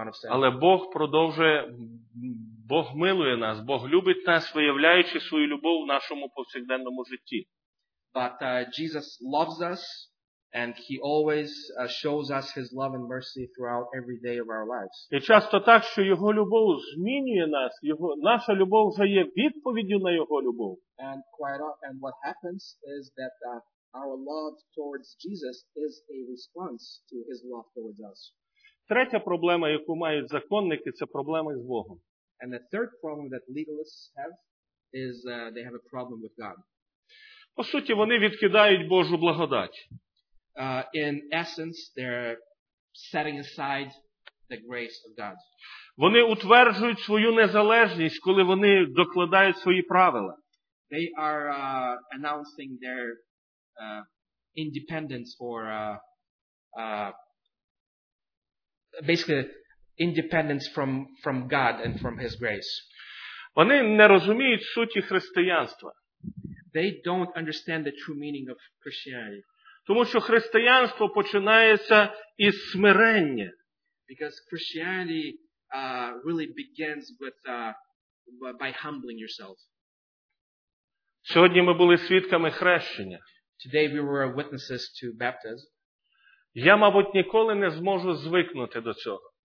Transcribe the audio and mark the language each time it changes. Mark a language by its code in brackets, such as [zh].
[uk] Але Бог продовжує, Бог милує нас, Бог любить нас, виявляючи свою любов в нашому повсякденному житті. [en] But Jesus loves us And he always shows us his love and mercy throughout every day of our lives. [uk] І часто так, що його любов змінює нас, його наша любов вже є відповіддю на його любов. [en] And what happens is that our love towards Jesus is a response to his love towards us. [uk] Третя проблема, яку мають законники, це проблема з Богом. [en] And the third problem that legalists have is they have a problem with God. [uk] По суті, вони відкидають Божу благодать. [en] In essence, they're setting aside the grace of God. [uk] Вони утверджують свою незалежність, коли вони докладають свої правила. [en] They are announcing their independence or basically independence from God and from His grace. [uk] Вони не розуміють суті християнства. [en] They don't understand the true meaning of Christianity. [uk] Тому що християнство починається із смирення. [en] Because Christianity really begins with by humbling yourself. [uk] Сьогодні ми були свідками хрещення. [en] Today we were witnesses to baptism. [uk] Я, мабуть, ніколи не зможу звикнути до цього.